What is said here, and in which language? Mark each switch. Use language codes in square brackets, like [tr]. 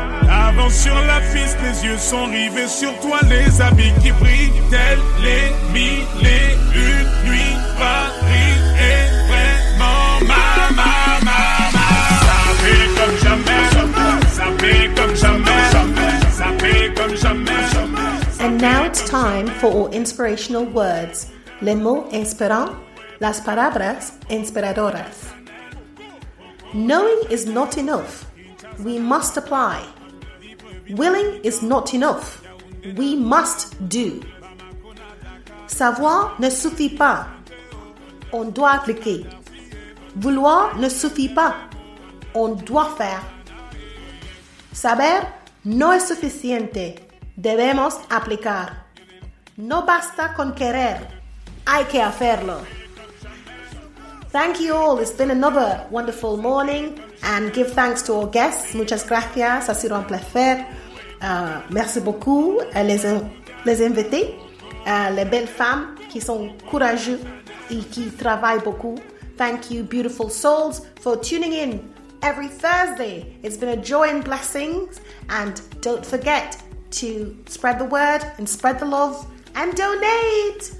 [fr] Avant sur la piste, les yeux sont rivés sur toi, les habits qui brillent, tels les mille et une nuits, Paris est vraiment ma. Ça fait comme jamais, ça fait comme jamais, ça fait comme jamais. [en] And now it's time for our inspirational words. [fr] Le mot inspirant, [es] las palabras inspiradoras. [en] Knowing is not enough. We must apply. Willing is not enough. We must do. [fr] Savoir ne suffit pas. On doit appliquer. Vouloir ne suffit pas. On doit faire. [es] Saber no es suficiente. Debemos aplicar. No basta con querer. Hay que hacerlo. [en] Thank you all. It's been another wonderful morning. And give thanks to our guests. [es] Muchas gracias. Ha sido un placer. [fr] Merci beaucoup. Les invités. Les belles femmes qui sont courageuses et qui travaillent beaucoup. [en] Thank you, beautiful souls, for tuning in every Thursday. It's been a joy and blessings. And don't forget to spread the word and spread the love and donate.